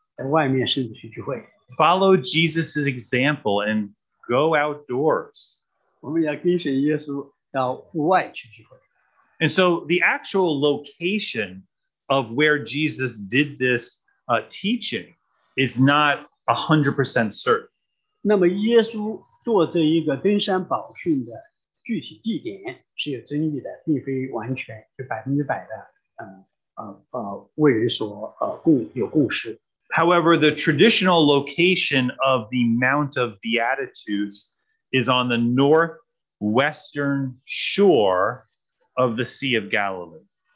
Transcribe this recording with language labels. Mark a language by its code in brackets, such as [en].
[zh] 我鼓励大家到外面去读经、祷告，在外面甚至去聚会。 [en] Follow Jesus' example and go outdoors. [zh] 我们要跟随耶稣到户外去聚会。 [en] And so the actual location of where Jesus did this teaching is not 100% certain. [zh] 那么耶稣做这一个登山宝训的具体地点是有争议的, 并非完全就百分之百的为人所有共识。 [en] However, the traditional location of the Mount of Beatitudes is on the northwestern shore of the Sea of Galilee.